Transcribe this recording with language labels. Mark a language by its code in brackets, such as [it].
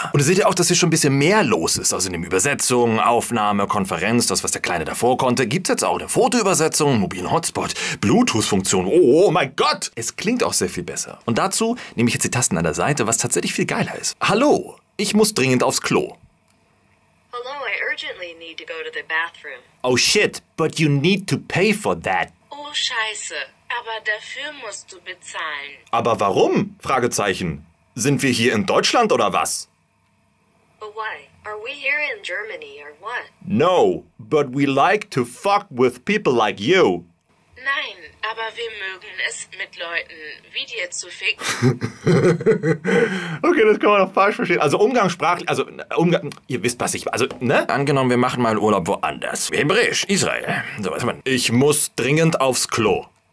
[de] Und ihr seht ja auch, dass hier schon ein bisschen mehr los ist. Also in dem Übersetzung, Aufnahme, Konferenz, das, was der Kleine davor konnte, gibt es jetzt auch eine Fotoübersetzung, mobilen Hotspot, Bluetooth-Funktion. Oh mein Gott! Es klingt auch sehr viel besser. Und dazu nehme ich jetzt die Tasten an der Seite, was tatsächlich viel geiler ist. Hallo, ich muss dringend aufs Klo. [en] Hello, I urgently need to go to the bathroom. Oh shit, but you need to pay for that. [de] Oh scheiße, aber dafür musst du bezahlen. Aber warum? Fragezeichen. Sind wir hier in Deutschland oder was? [en] But why? Are we here in Germany or what? No, but we like to fuck with people like you. [de] Nein, aber wir mögen es mit Leuten wie dir zu ficken. Okay, das kann man auch falsch verstehen. Also umgangssprachlich, also ihr wisst, was ich, also, ne? Angenommen, wir machen mal einen Urlaub woanders. Hebräisch, Israel. So, was man. Ich muss dringend aufs Klo.